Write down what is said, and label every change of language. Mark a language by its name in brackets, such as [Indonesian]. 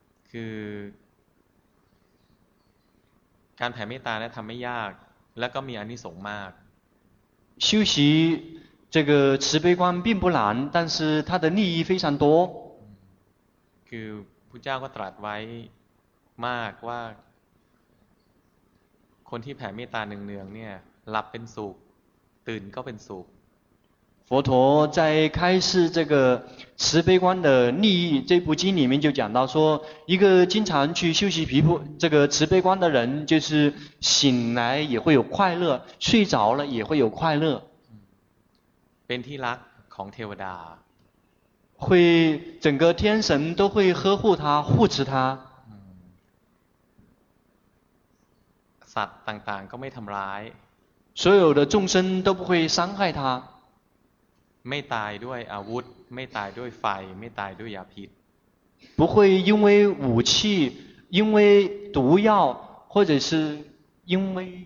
[Thai] คือการแผ่เมตตาเนี่ยทำไม่ยากแล้วก็มีอานิสงส์มาก [Chinese] 修习这个慈悲观并不难但是它的利益非常多 [Thai] คือพุทธเจ้าก็ตรัสไว้มากว่าคนที่แผ่เมตตาเนืองๆเนี่ยหลับเป็นสุขตื่นก็เป็นสุข [Chinese] 佛陀在开示这个慈悲观的利益这部经里面就讲到说一个经常去修习毗婆这个慈悲观的人就是醒来也会有快乐睡着了也会有快乐 [Thai] เป็นที่รักของเทวดา [Chinese] 会整个天神都会呵护他护持他 [Thai] สัตว์ต่างๆก็ไม่ทำร้าย [Chinese] 所有的众生都不会伤害他 [Thai] ไม่ตายด้วยอาวุธไม่ตายด้วยไฟไม่ตายด้วยยาพิษ [Chinese] 不会因为武器因为毒药或者是因为